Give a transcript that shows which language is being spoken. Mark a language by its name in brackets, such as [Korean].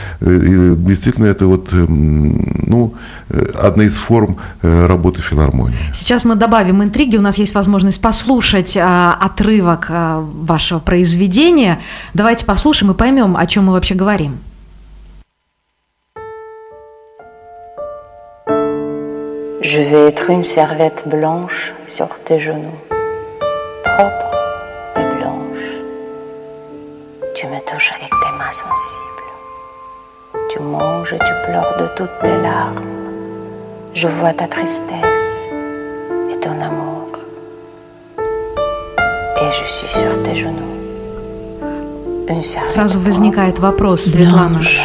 [Russian] И действительно, это вот, ну, одна из форм работы филармонии. Сейчас мы добавим интриги. У нас есть возможность послушать отрывок вашего произведения. Давайте послушаем и поймем, о чем мы вообще говорим. [French] Je vais être une serviette blanche sur tes genoux, propre et blanche. Tu me touches avec tes mains sensibles. Tu manges et tu pleures de toutes tes larmes. Je vois ta tristesse et ton amour. Et je suis sur tes genoux. Une serviette blanche. [Russian] Сразу возникает вопрос, Светлана.